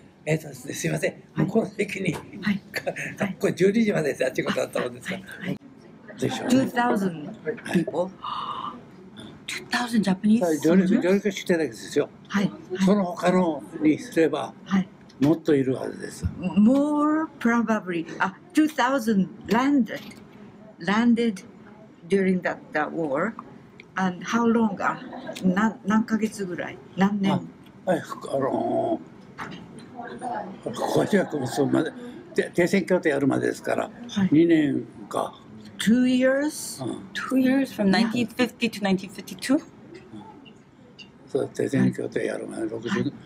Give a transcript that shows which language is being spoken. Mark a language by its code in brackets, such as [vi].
[ja] ですみません、向こうの席に、はい、これ12時までってあっちことだったもんですから、 [en] はいはい、2,000 people? 2,000 Japanese soldiers? [ja] 上陸してたんですよ、はい、その他のにすれば、もっといるはずです、 [en] はい、More probably, 2,000 landed during that war and how long? [ja] 何ヶ月ぐらい、何年、はい、これじゃあそうまで停戦協定やるまでですから、はい、 2年か [en] 2 years、 [ja] うん、 [en] 2 years from 1950 to 1952、 [ja] うん、そう停戦協定やるまで60、